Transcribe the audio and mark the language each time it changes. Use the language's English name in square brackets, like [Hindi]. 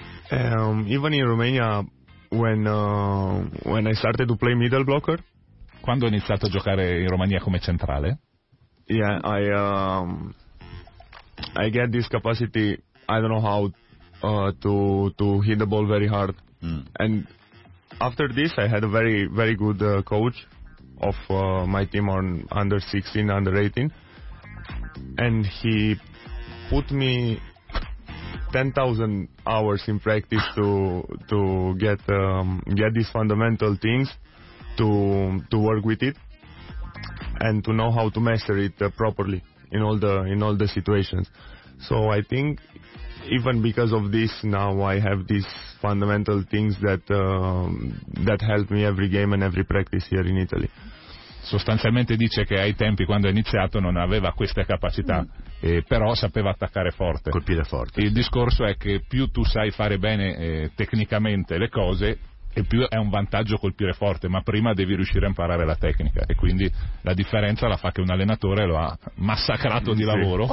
[English] Even in Romania, when I started to play middle blocker... [Italian] Quando ho iniziato a giocare in Romania come centrale? [English] Yeah, I get this capacity, I don't know how, to hit the ball very hard. And... after this, I had a very, very good coach of my team on under 16, under 18, and he put me 10,000 hours in practice to get these fundamental things to work with it and to know how to master it properly in all the situations. So I think even because of this, now I have these fundamental things that help me every game and every practice here in Italy. [Italian] Sostanzialmente dice che ai tempi, quando ha iniziato, non aveva queste capacità, però sapeva attaccare forte. Colpire forte. Il discorso è che più tu sai fare bene tecnicamente le cose, e più è un vantaggio colpire forte, ma prima devi riuscire a imparare la tecnica, e quindi la differenza la fa che un allenatore lo ha massacrato di lavoro